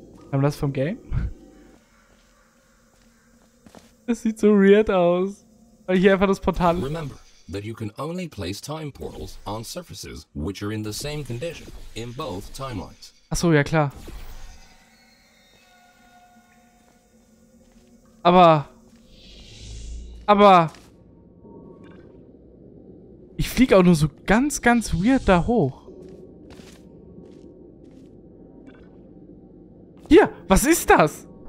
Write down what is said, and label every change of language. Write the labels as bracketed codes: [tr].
[de] Haben wir das vom Game? Das sieht so weird aus. Weil hier einfach das Portal. [en] Remember that you can only place time portals on surfaces which are in the same condition in both timelines. [de] Ach so, ja klar. Aber ich fliege auch nur so ganz, ganz weird da hoch. Hier, was ist das?